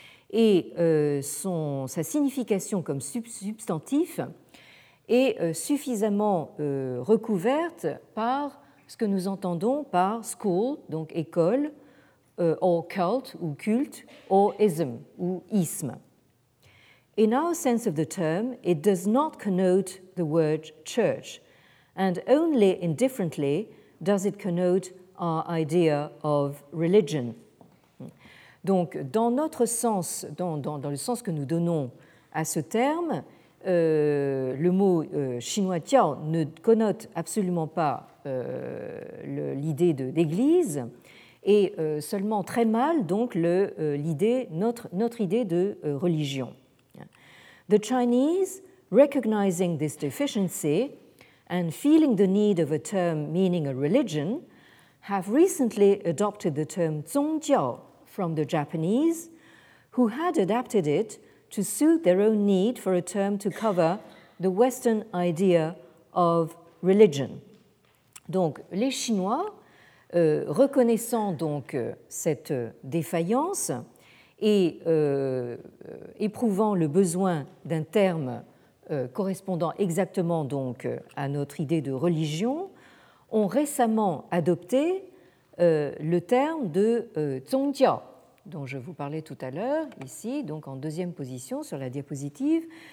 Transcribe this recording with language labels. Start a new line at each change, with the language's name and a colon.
French: Et sa signification comme substantif est suffisamment recouverte par ce que nous entendons par « school », donc « école », « or cult » ou « culte », « or ism » ou « isme ».
English: In our sense of the term, it does not connote the word « church », and only indifferently does it connote our idea of religion.
French: Donc, dans notre sens, dans le sens que nous donnons à ce terme, le mot chinois jiao ne connote absolument pas l'idée d'église, et seulement très mal donc notre idée de religion.
English: The Chinese, recognizing this deficiency and feeling the need of a term meaning a religion, have recently adopted the term zongjiao from the Japanese, who had adapted it to suit their own need for a term to cover the Western idea of religion.
French: Donc, les Chinois, reconnaissant donc cette défaillance et éprouvant le besoin d'un terme correspondant exactement donc à notre idée de religion, ont récemment adopté le terme de zongjiao, dont je vous parlais tout à l'heure, ici, donc en deuxième position sur la diapositive.